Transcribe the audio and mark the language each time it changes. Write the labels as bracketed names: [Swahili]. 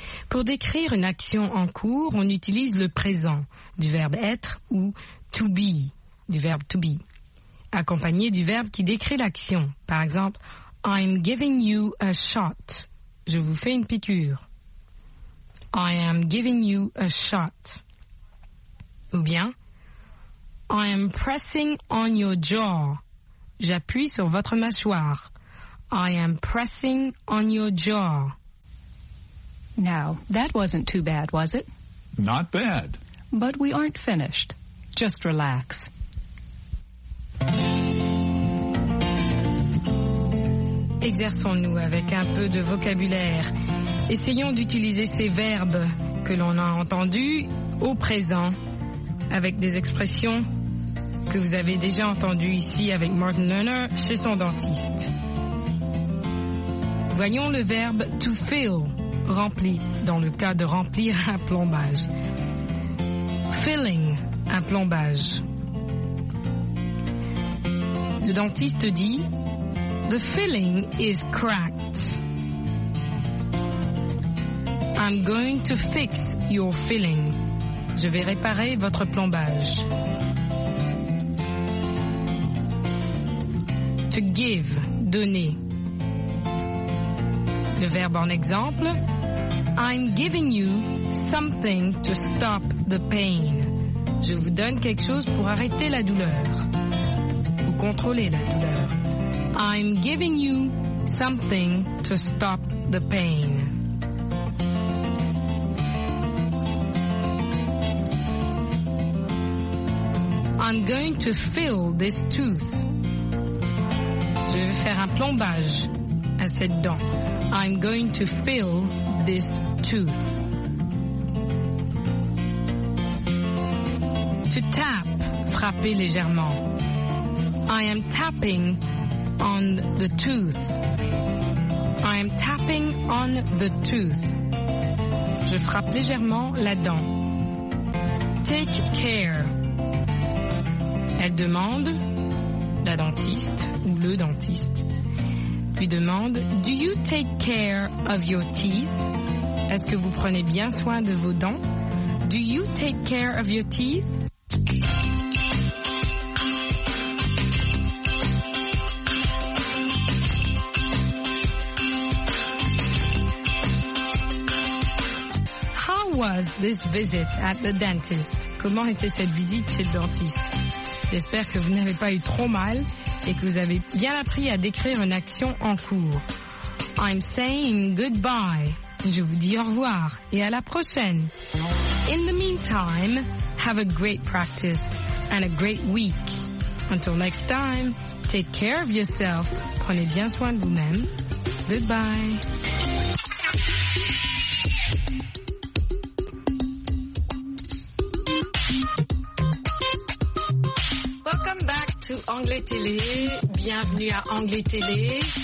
[French] Pour décrire une action en cours, on utilise le présent du verbe être ou to be, du verbe to be, accompagné du verbe qui décrit l'action. Par exemple, [English] I'm giving you a shot. [French] Je vous fais une piqûre. [English] I am giving you a shot. [French] Ou bien, [English] I am pressing on your jaw. [French] J'appuie sur votre mâchoire. [English] I am pressing on your jaw. Now, that wasn't too bad, was it? Not bad. But we aren't finished. Just relax. [French] Exerçons-nous avec un peu de vocabulaire. Essayons d'utiliser ces verbes que l'on a entendus au présent avec des expressions que vous avez déjà entendues ici avec Martin Lerner chez son dentiste. Voyons le verbe to fill. Rempli, dans le cas de remplir un plombage. Filling, un plombage. Le dentiste dit, [English] The filling is cracked. I'm going to fix your filling. [French] Je vais réparer votre plombage. [English] To give, donner. [French] Le verbe en exemple, [English] I'm giving you something to stop the pain. [French] Je vous donne quelque chose pour arrêter la douleur. Pour contrôler la douleur. [English] I'm giving you something to stop the pain. I'm going to fill this tooth. [French] Je vais faire un plombage à cette dent. [English] I'm going to fill this tooth. To tap, [French] frapper légèrement. [English] I am tapping on the tooth. I am tapping on the tooth. [French] Je frappe légèrement la dent. [English] Take care. [French] Elle demande, la dentiste ou le dentiste, lui demande, [English] Do you take care of your teeth? [French] Est-ce que vous prenez bien soin de vos dents? [English] Do you take care of your teeth? How was this visit at the dentist? [French] Comment était cette visite chez le dentiste? J'espère que vous n'avez pas eu trop mal et que vous avez bien appris à décrire une action en cours. [English] I'm saying goodbye. [French] Je vous dis au revoir et à la prochaine. [English] In the meantime, have a great practice and a great week. Until next time, take care of yourself. [French] Prenez bien soin de vous-même. [English] Goodbye. Welcome back to Anglais Télé. [French] Bienvenue à Anglais Télé.